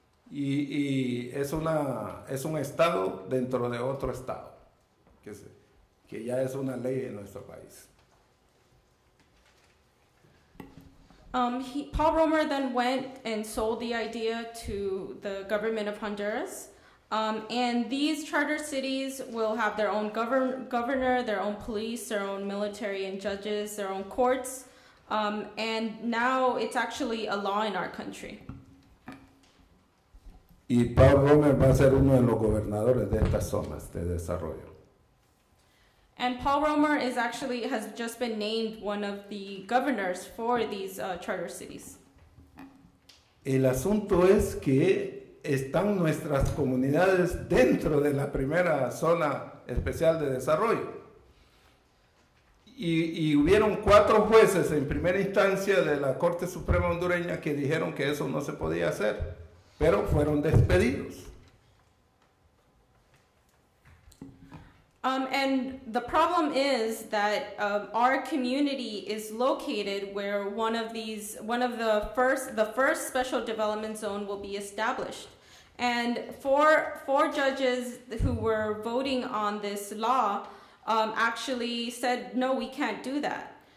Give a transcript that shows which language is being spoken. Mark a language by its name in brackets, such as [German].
[Spanish] y es una, es un estado dentro de otro estado, que ya es una ley en nuestro país. [English] Paul Romer then went and sold the idea to the government of Honduras. And these charter cities will have their own governor, their own police, their own military and judges, their own courts. And now it's actually a law in our country. [Spanish] Y Paul Romer va a ser uno de los gobernadores de estas zonas de desarrollo. [English] And Paul Romer is actually, has just been named one of the governors for these charter cities. [Spanish] El asunto es que están nuestras comunidades dentro de la primera zona especial de desarrollo. Y hubieron cuatro jueces en primera instancia de la Corte Suprema Hondureña que dijeron que eso no se podía hacer, pero fueron despedidos. [English] And the problem is that our community is located where one of the first special development zone will be established. And four judges who were voting on this law actually said, no, we can't do that.